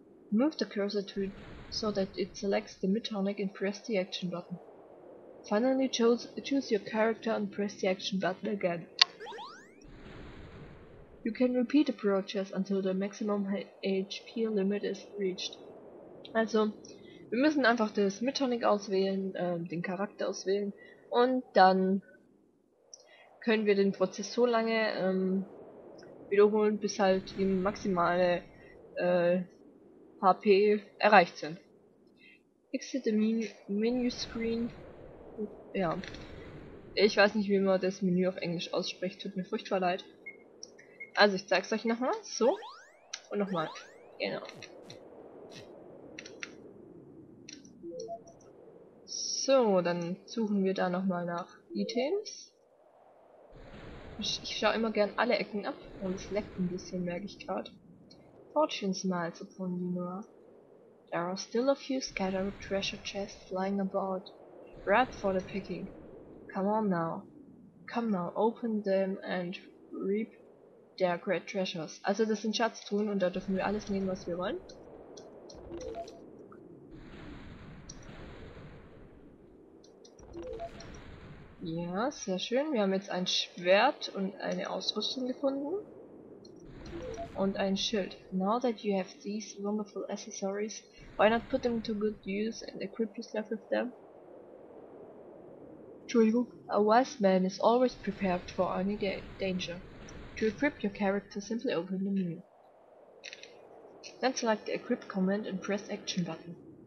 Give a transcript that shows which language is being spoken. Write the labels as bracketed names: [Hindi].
[English] Move the cursor to it so that it selects the mid-tonic and press the action button. Finally, choose your character and press the action button again. You can repeat the process until the maximum HP limit is reached. [German] Also, wir müssen einfach das mid-tonic auswählen, den Charakter auswählen und dann können wir den Prozess so lange wiederholen, bis halt die maximale HP erreicht sind. [English] Exit the menu screen. Ja. [German] Ich weiß nicht, wie man das Menü auf Englisch ausspricht. Tut mir furchtbar leid. Also, ich zeig's euch nochmal. So. Und nochmal. Genau. So, dann suchen wir da nochmal nach Items. Ich schaue immer gern alle Ecken ab und es leckt ein bisschen, merke ich gerade. [English] Fortune smiles upon you, Noah. There are still a few scattered treasure chests lying about. Ripe for the picking. Come on now. Come now, open them and reap their great treasures. [German] Also das sind Schatztruhen und da dürfen wir alles nehmen, was wir wollen. Ja, sehr schön. Wir haben jetzt ein Schwert und eine Ausrüstung gefunden. Und ein Schild. [English] Now that you have these wonderful accessories, why not put them to good use and equip yourself with them? [German] Entschuldigung. [English] A wise man is always prepared for any danger. To equip your character, simply open the menu. Then select the equip command and press action button.